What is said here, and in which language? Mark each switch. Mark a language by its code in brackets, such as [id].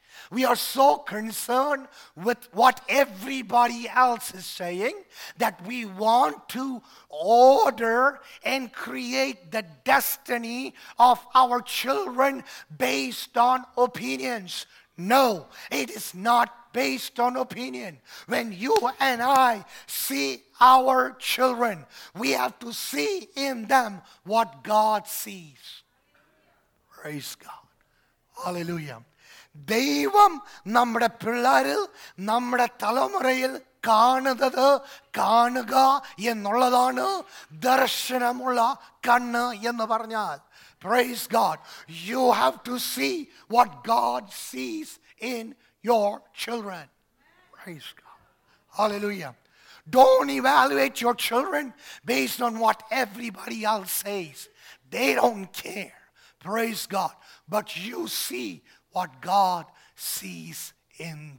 [en] We are so concerned with what everybody else is saying that we want to order and create the destiny of our children based on opinions. No, it is not based on opinion. When you and I see our children, we have to see in them what God sees. Praise God. Hallelujah. [ml] ദൈവം നമ്മുടെ പിള്ളേരിൽ നമ്മുടെ തലമുറയിൽ കാണുന്നത് കാണുക എന്നുള്ളതാണ് ദർശനമുള്ള കണ്ണ് എന്ന് പറഞ്ഞാൽ. [en] Praise God. You have to see what God sees in your children. Praise God. Hallelujah. Don't evaluate your children based on what everybody else says. They don't care. Praise God. But you see what God sees in them.